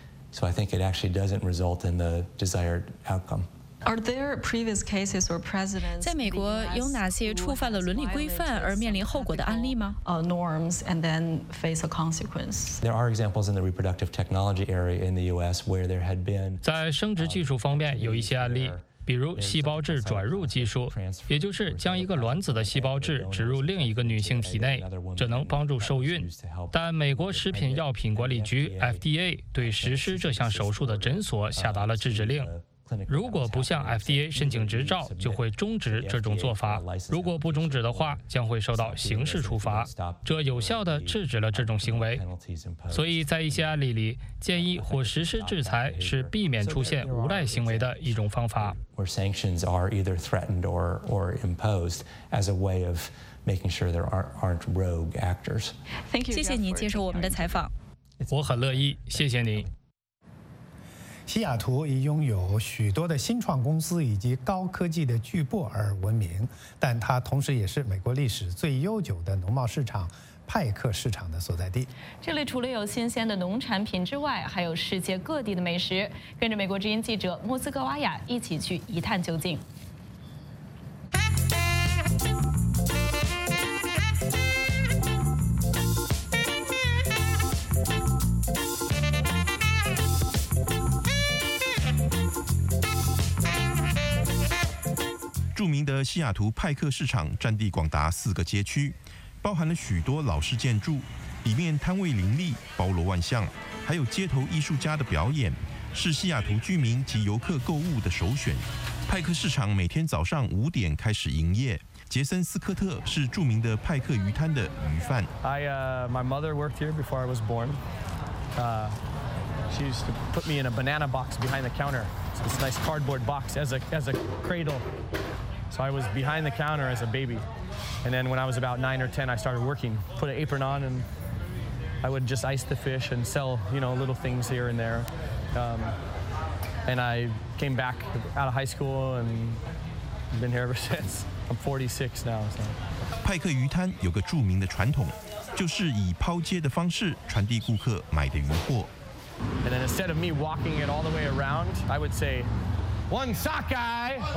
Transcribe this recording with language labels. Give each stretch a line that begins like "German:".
English: So I think it actually doesn't result in the desired outcome. Are there previous cases or precedents?
Chinese: 在美国有哪些触犯了伦理规范而面临后果的案例吗？
English: Norms and then face a consequence. There are examples in the reproductive technology area in the U.S. where there had been.
Chinese: 在生殖技术方面有一些案例。比如细胞质转入技术，也就是将一个卵子的细胞质植入另一个女性体内，这能帮助受孕。但美国食品药品管理局 FDA 对实施这项手术的诊所下达了制止令，如果不向 FDA 申请执照，就会终止这种做法。如果不终止的话，将会受到刑事处罚。这有效地制止了这种行为。所以在一些案例里，建议或实施制裁是避免出现无赖行为的一种方法。
English: Where sanctions are either threatened or imposed as a way of making sure there aren't rogue actors. Thank you.
Chinese: 谢谢您接受我们的采访。我很乐意，谢谢您。西雅图已拥有许多的新创公司以及高科技的巨擘而闻名，但它同时也是美国历史最悠久的农贸市场派克市场的所在地。这里除了有新鲜的农产品之外，还有世界各地的美食。跟着美国之音记者莫斯科瓦雅一起去一探究竟。著名的西雅图派克市场占地广达四个街区，包含了许多老式建筑，里面摊位林立，包罗万象，还有街头艺术家的表演，是西雅图居民及游客购物的首选。派克市场每天早上5点开始营业。杰森·斯科特是著名的派克鱼摊的鱼贩。
English: My mother worked here before I was born. She used to put me in a banana box behind the counter. It's this nice cardboard box as a cradle. So I was behind the counter as a baby. And then when I was about 9 or 10, I started working. Put an apron on and I would just ice the fish and sell, you know, little things here and there. And I came back out of high school and been here ever since. I'm 46 now, so.
Chinese: 派克鱼摊有个著名的传统，就是以抛接的方式传递顾客买的鱼货。
English: And then instead of me walking it all the way around, I would say,One sockeye.